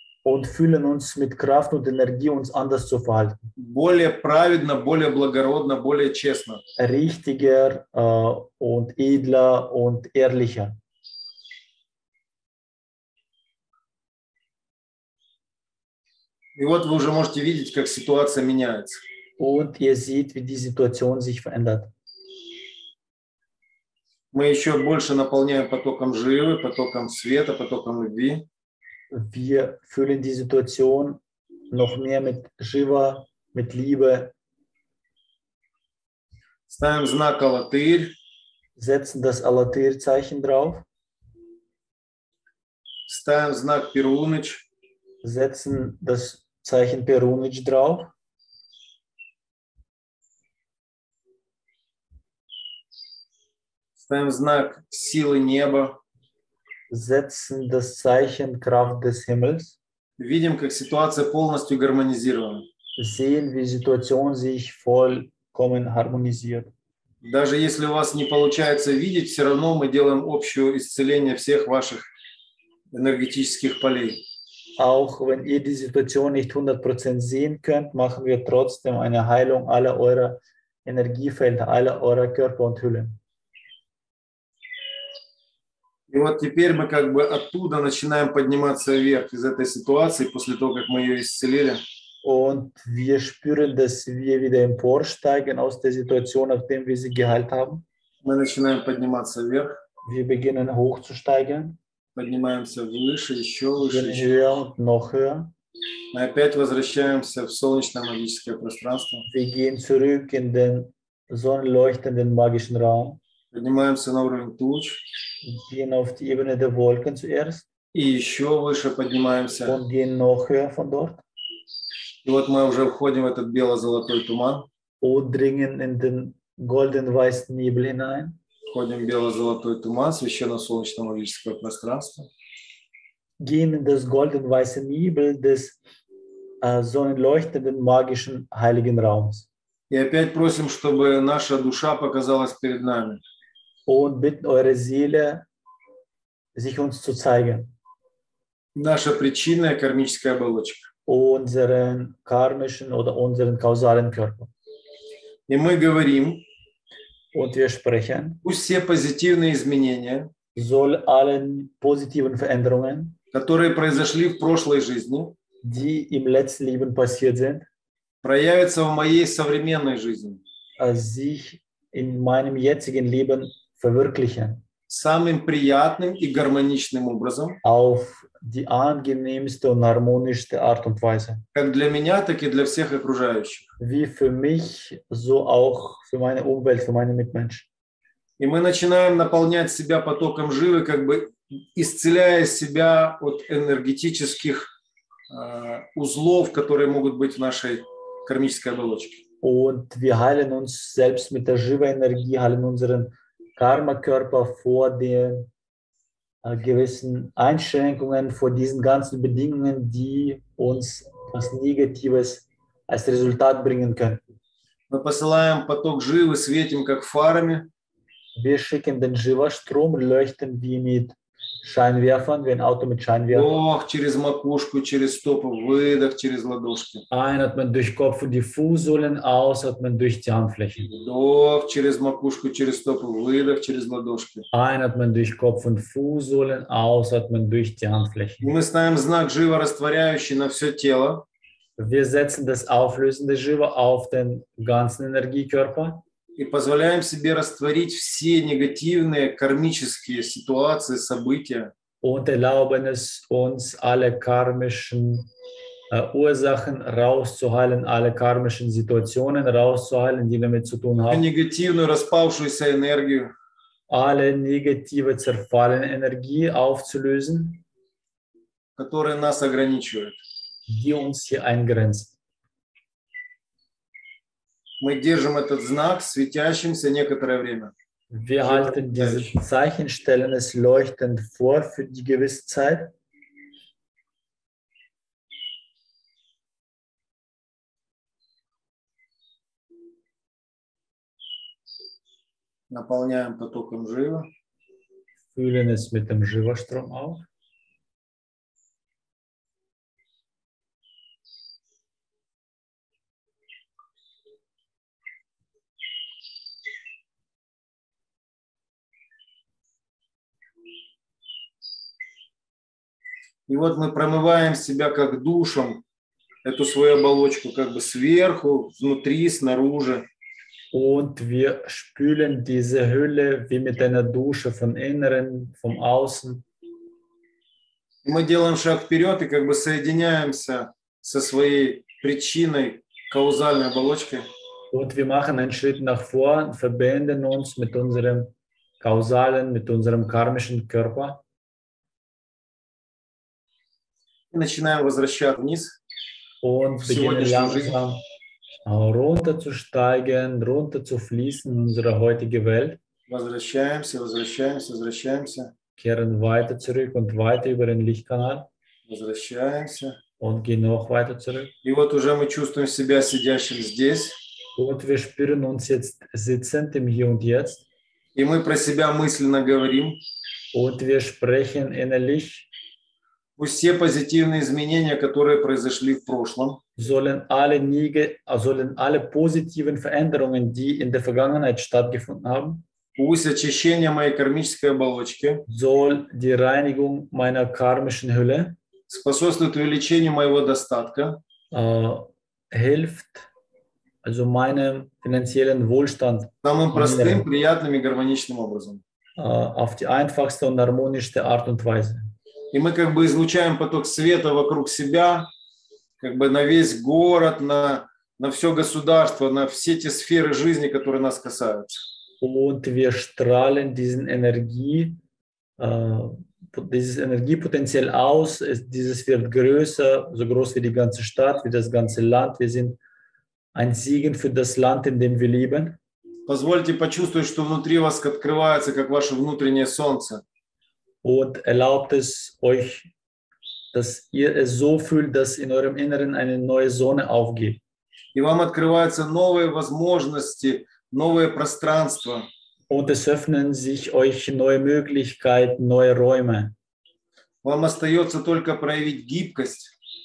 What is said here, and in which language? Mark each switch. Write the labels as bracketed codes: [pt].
[de] Und fühlen uns mit Kraft und Energie, uns anders zu verhalten. [ru] Более праведно, более благородно, более честно. [de] Richtiger und edler und ehrlicher. [ru] И вот вы уже можете видеть, как ситуация меняется. [de] Und ihr seht, wie die Situation sich verändert. [ru] Мы еще больше наполняем потоком живы, потоком света, потоком любви. [de] Wir füllen die Situation noch mehr mit Shiva, mit Liebe. [ru] Ставим знак Алатырь. [de] Setzen das Алатырь-Zeichen drauf. [ru] Ставим знак Перуныч. [de] Setzen das Zeichen Перуныч drauf. [ru] Ставим знак силы неба. [de] Setzen das Zeichen Kraft des Himmels. [ru] Видим, как ситуация полностью гармонизирована. [de] Sehen, wie Situation sich vollkommen harmonisiert. [ru] Даже если у вас не получается видеть, все равно мы делаем общее исцеление всех ваших энергетических полей. [de] Auch wenn ihr die Situation nicht 100% sehen könnt, machen wir trotzdem eine Heilung aller eurer Energiefelder, aller eurer Körper und Hülle. [ru] И вот теперь мы как бы оттуда начинаем подниматься вверх из этой ситуации после того, как мы ее исцелили. [de] Und wir spüren, dass wir wieder emporsteigen aus der Situation, nachdem wir sie geheilt haben. [ru] Мы начинаем подниматься вверх. [de] Wir beginnen hochzusteigen. [ru] Поднимаемся выше, еще выше. [de] Wir gehen höher und noch höher. [ru] Мы опять возвращаемся в солнечное магическое пространство. [de] Wir gehen zurück in den sonnenleuchtenden magischen Raum. [ru] Поднимаемся на уровень туч. [de] Gehen auf die Ebene der Wolken zuerst. [ru] И еще выше поднимаемся. [de] Und gehen noch höher von dort. [ru] И вот мы уже входим в этот бело-золотой туман. [de] Und dringen in den golden-weißen Nebel hinein. [ru] Входим в бело-золотой туман, священно-солнечное магическое пространство. [de] Gehen in das golden-weiße Nebel des sonnenleuchtenden magischen heiligen Raums. [ru] И опять просим, чтобы наша душа показалась перед нами. [de] Und bitten eure Seele, sich uns zu zeigen. [ru] Наша причинная кармическая оболочка. [de] Unseren karmischen oder unseren kausalen Körper. [ru] И мы говорим. [de] Und wir sprechen. [ru] Пусть все позитивные изменения. [de] Soll allen positiven Veränderungen. [ru] Которые произошли в прошлой жизни. [de] Die im letzten Leben passiert sind. [ru] Проявится в моей современной жизни. [de] Sich in meinem jetzigen Leben verwirklichen. [ru] Самым приятным и гармоничным образом. [de] Auf die angenehmste und harmonischste Art und Weise. [ru] Как для меня, так и для всех окружающих. [de] Wie für mich, so auch für meine Umwelt, für meine Mitmenschen. [ru] И мы начинаем наполнять себя потоком живы, как бы исцеляя себя от энергетических узлов, которые могут быть в нашей кармической оболочке. [de] Und wir heilen uns selbst mit der живой Energie, heilen unseren Karma-Körper vor den gewissen Einschränkungen, vor diesen ganzen Bedingungen, die uns was Negatives als Resultat bringen könnten. [ru] Мы посылаем поток живы, светим как фарами. [de] Wir schicken den Jiva-Strom, leuchten wie mit Scheinwerfern, wie ein Auto mit Scheinwerfern. [ru] Ох, через макушку, через стоп, выдох, через ладошки. [de] Einatmen durch Kopf und die Fußsohlen, ausatmen durch die Handflächen. [ru] Ох, через макушку, через стоп, выдох, через ладошки. [de] Einatmen durch Kopf und Fußsohlen, ausatmen durch die Handflächen. [ru] Мы ставим знак живорастворяющий на все тело. [de] Wir setzen das auflösende Jiva auf den ganzen Energiekörper. [ru] И позволяем себе растворить все негативные кармические ситуации, события. [de] Und erlauben es uns, alle karmischen Ursachen rauszuheilen, alle karmischen Situationen rauszuheilen, die damit zu tun haben. [ru] Негативную распавшуюся энергию. [de] Alle negative zerfallene Energie aufzulösen, [ru] которая нас ограничивает. [de] Die uns hier eingrenzt. [ru] Мы держим этот знак светящимся некоторое время. [de] Wir halten dieses Zeichen, stellen es leuchtend vor für die gewisse Zeit. [ru] Наполняем потоком жива. [de] Füllen es mit dem Jiva-Strom auf. [ru] И вот мы промываем себя как душем, эту свою оболочку, как бы сверху, внутри, снаружи. [de] Und wir spülen diese Hülle wie mit einer Dusche von innen, von außen. [ru] Мы делаем шаг вперед и как бы соединяемся со своей причиной, каузальной оболочкой. [de] Und wir machen einen Schritt nach vorn, verbinden uns mit unserem kausalen, mit unserem karmischen Körper. [ru] Начинаем возвращаться вниз. [de] Und beginnen langsam runterzusteigen, runterzufließen in unsere heutige Welt. [ru] Возвращаемся, возвращаемся, возвращаемся. [de] Kehren weiter zurück und weiter über den Lichtkanal. [ru] Возвращаемся. [de] Und gehen noch weiter zurück. [ru] И вот уже мы чувствуем себя сидящим здесь. [de] Und wir spüren uns jetzt sitzend im Hier und Jetzt. [ru] И мы про себя мысленно говорим. [de] Und wir sprechen innerlich. [ru] Пусть все позитивные изменения, которые произошли в прошлом, [de] sollen alle positiven Veränderungen, die in der Vergangenheit stattgefunden haben, [ru] пусть очищение моей кармической оболочки, [de] soll die Reinigung meiner karmischen Hülle, [ru] способствует увеличению моего достатка, [de] hilft also meinem finanziellen Wohlstand, [ru] самым простым, приятным и гармоничным образом, [de] auf die einfachste und harmonischste Art und Weise. [ru] И мы как бы излучаем поток света вокруг себя, как бы на весь город, на все государство, на все те сферы жизни, которые нас касаются. [de] Und wir strahlen diesen Energie, dieses Energiepotenzial aus. Dieses wird größer, so groß wie die ganze Stadt, wie das ganze Land. Wir sind ein Segen für das Land, in dem wir leben. [ru] Позвольте почувствовать, что внутри вас открывается, как ваше внутреннее солнце. [de] Und erlaubt es euch, dass ihr es so fühlt, dass in eurem Inneren eine neue Sonne aufgeht. [ru] И вам открываются новые возможности, новые пространства. [de] Und es öffnen sich euch neue Möglichkeiten, neue Räume. [ru] Вам остается только проявить гибкость.